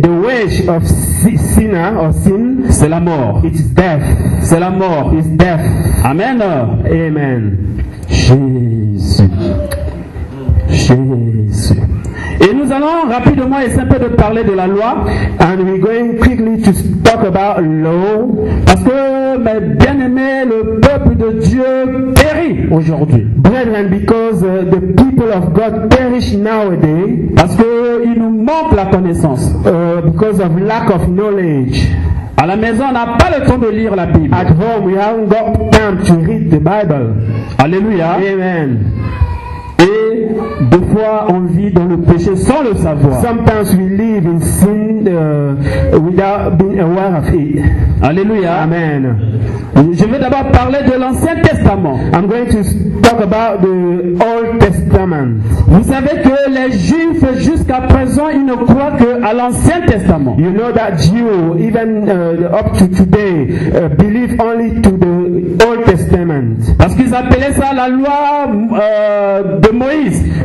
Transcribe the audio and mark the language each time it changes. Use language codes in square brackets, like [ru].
[en] the wage of sinner or sin, [fr] c'est la mort. [en] It's death. [fr] C'est la mort. [en] It's death. Amen. Amen. [fr] Jésus. Jésus. Et nous allons rapidement et simplement de parler de la loi. [en] And we're going quickly to talk about law. [fr] Parce que, mes bien-aimés, le peuple de Dieu périt aujourd'hui. [en] Brethren, because the people of God perish nowadays. [fr] Parce qu'il nous manque la connaissance. [en] Because of lack of knowledge. [fr] À la maison, on n'a pas le temps de lire la Bible. [en] At home, we haven't got time to read the Bible. [fr] Alléluia. Amen. Et des fois, on vit dans le péché sans le savoir. [en] Sometimes we live in sin without being aware of it. [fr] Alléluia. Amen. Je vais d'abord parler de l'Ancien Testament. [en] I'm going to talk about the Old Testament. [fr] Vous savez que les Juifs, jusqu'à présent, ils ne croient que à l'Ancien Testament. [en] You know that Jews, even up to today, believe only to the Old Testament. [fr] Parce qu'ils appelaient ça la loi de Moïse.